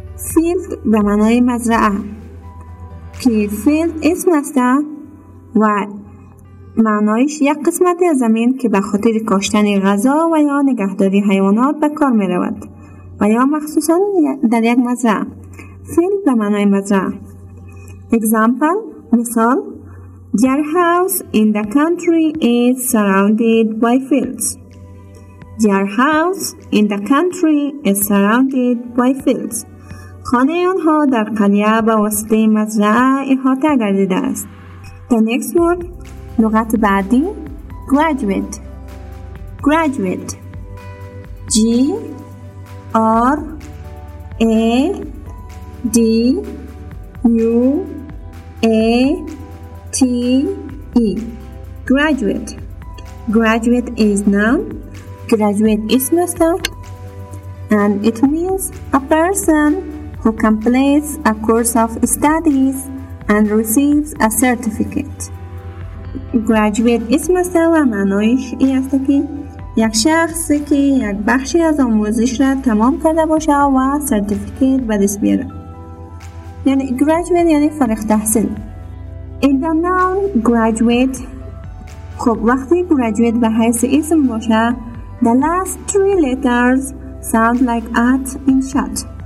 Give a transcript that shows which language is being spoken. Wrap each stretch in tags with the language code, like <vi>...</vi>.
<fa>Field به معنای مزرعه. که field اسم است و معنایش یک قسمت زمین که به خاطر کاشتن غذا و یا نگهداری حیوانات به کار می رود و یا مخصوصا در یک مزرعه. Field به معنای مزرعه.</fa> <en>Example, مثال: Their house in the country is surrounded by fields. Their house in the country is surrounded by fields.</en> <fa>خانه آنها در قریه به واسطه مزرعه احاطه گردیده است.</fa> <en>The next word,</en> <fa>لغت بعدی,</fa> <en>graduate. Graduate. G R A D U A T E. Graduate. Graduate is noun. Graduate</en> <fa>اسم است</fa> <en>and it means a person who completes a course of studies and receives a certificate.</en> <fa>Graduate اسم است و معنایش ای است که یک شخص که یک بخشی از آموزش را تمام کرده باشه و سرتیفیکیت به دست بیاره. یعنی graduate یعنی فارغ التحصیل.</fa> <en>In the noun graduate,</en> <fa>خب وقتی graduate به حیث اسم باشه,</fa> <en>the last three letters sound like at in shut.</en>